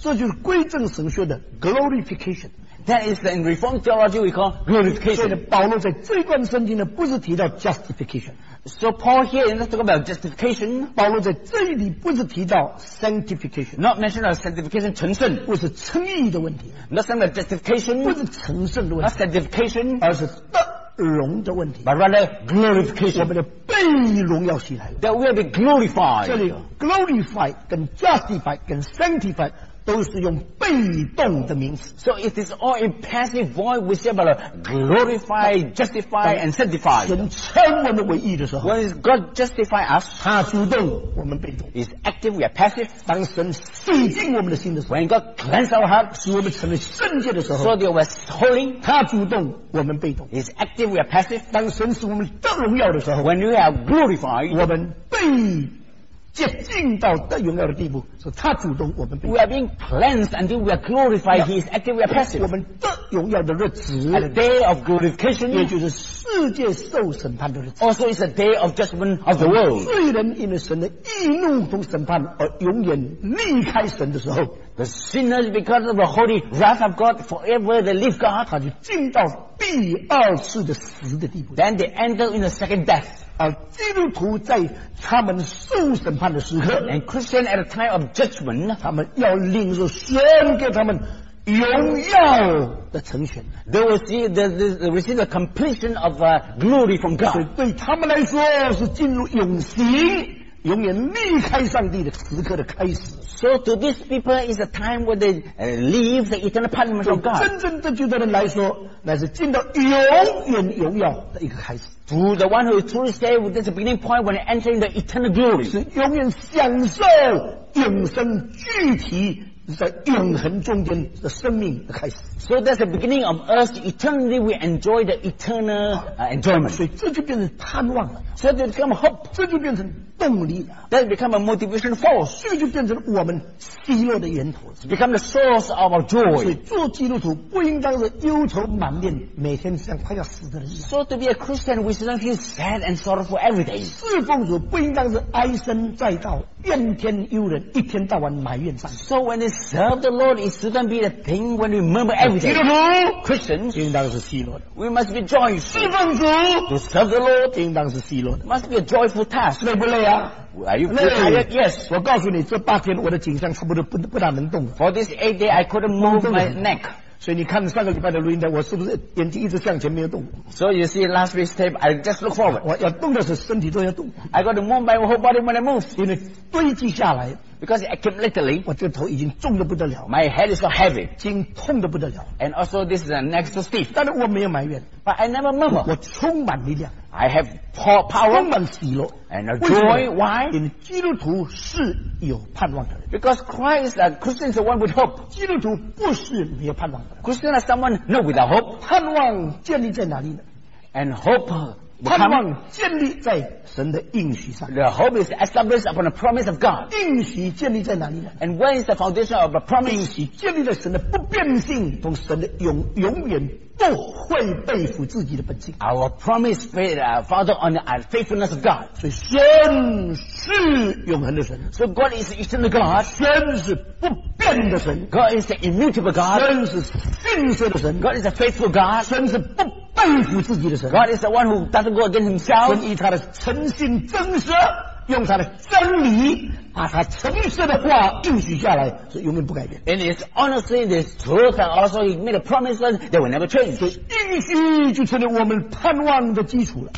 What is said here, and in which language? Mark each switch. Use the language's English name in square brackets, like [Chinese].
[Chinese] 这就是归正神学的 glorification [English] That is in Reformed theology we call glorification [Chinese] 所以保罗在这段圣经呢不是提到 justification [English] So Paul here is not talking about justification [Chinese] 保罗在这里不是提到 sanctification [English] Not mentioned about sanctification 成圣 [Chinese] 不是称义的问题 [English] Not saying about justification [Chinese] 不是成圣的问题 [English] Not sanctification [Chinese] 而是荣的问题 [English] But rather glorification [Chinese] 我们的被荣耀袭来了 [English] That we have been glorified [Chinese] 这里 glorify 跟 justify 跟 sanctify 都是用被动的名词。 [English] So it is all in passive voice. We say about glorify, justify, and sanctify. [Chinese] 神称我们为义的时候 [English] ，When God justify us， [Chinese] 他主动，我们被动。 [English] Is active, we are passive. [Chinese] 当神洗净我们的心的时候 [English] ，When God cleanse our heart， [Chinese] 使我们成为圣洁的时候 [English] ，So they were holy. [Chinese] 他主动，我们被动。 [English] Is active, we are passive. [Chinese] 当神使我们得荣耀的时候 [English] ，When we are glorified， [Chinese] 我们被。接近到得荣耀的地步，是他主动，我们被。 [English] We are being cleansed until we are glorified. Yeah, He is active, we are passive. [Chinese] 我们得荣耀的日子 [English] ，at the day of glorification， [Chinese] 也就是世界受审判的日子。 [English] Also, it's a day of judgment of the world. [Chinese] 罪人因为神的义怒同审判而永远离开神的时候 [English] ，the sinners because of the holy wrath of God forever they leave God， [Chinese] 他就进到第二次的死的地步。 [English] Then they enter in the second death。 [Chinese] 而基督徒在他们受审判的时刻 [English] and Christian at a time of judgment [Chinese] 他们要领受神给他们荣耀的成全 [English] they will see they receive the completion of glory from God [Chinese] 所以对他们来说是进入永行永远离开上帝的时刻的开始 [English] so to these people is a time where they leave the eternal punishment of God [Chinese] 真正的基督徒来说那是进到永远荣耀的一个开始 [English] To the one who is truly saved, that's the beginning point when entering the eternal glory. [Chinese] 是永远享受永生具体在永恒中间的生命的开始。 [English] So that's the beginning of us eternally. We enjoy the eternal enjoyment. [Chinese] 所以这就变成盼望了。 [English] So that become hope. [Chinese] 这就变成动力了。 [English] That become a motivation force. [Chinese] 所以就变成我们喜乐的源头。 [English] Become the source of our joy. [Chinese] 所以做基督徒不应当是忧愁满面，每天像快要死的人一样。 [English] So to be a Christian, we should not feel sad and sorrowful every day. [Chinese] 侍奉主不应当是唉声载道，怨天尤人，一天到晚埋怨上帝。 [English] So when serve the Lord it shouldn't be a thing when we remember everything Christians we must be joyful to serve the Lord it must be a joyful task [Chinese] 累不累啊 [English] are you tired yes [Chinese] 我告诉你这八天我的颈项差不多 不大能动 [English] for this 8 days I couldn't move my neck [Chinese] 所以你看上个礼拜的录音带我是不是眼睛一直向前没有动 [English] so you see last week's tape I just look forward [Chinese] 我要动的时候身体都要动 [English] I got to move my whole body when I move [Chinese] 因为堆积下来 [English] Because accumulatedly, [Chinese] 我这个头已经重得不得了 [English] My head is so heavy [Chinese] 筋痛得不得了 [English] And also this is next to stiff [Chinese] 但是我没有埋怨 [English] But I never murmur [Chinese] 我充满力量 [English] I have power [Chinese] 充满喜乐 [English] And a joy, why? [Chinese] 因为基督徒是有盼望的人 [English] Because Christ, Christian is the one with hope [Chinese] 基督徒不是没有盼望的人 [English] Christian is someone not without hope [Chinese] 盼望建立在哪里呢 [English] And hope [Chinese] 盼望建立在神的应许上 [English] The hope is established upon the promise of God [Chinese] 应许建立在哪里呢 [English] And where is the foundation of the promise [Chinese] 应许建立在神的不变性同神的 永远不会背负自己的本性 [English] Our promise is founded on the faithfulness of God [Chinese] 所以神是永恒的神 [English] So God is eternal God [Chinese] 神是不变的神 [English] God is the immutable God [Chinese] 神是信实的神 [English] God is a faithful God [Chinese] 神是不背负自己的神 [English] God is the one who doesn't go against himself [Chinese] 神以他的诚信真实用他的真理把他诚实的话应许下来是永远不改变 [English] And it's honestly this truth and also he made a promise that will never change [Chinese] 所以应许就成了我们盼望的基础了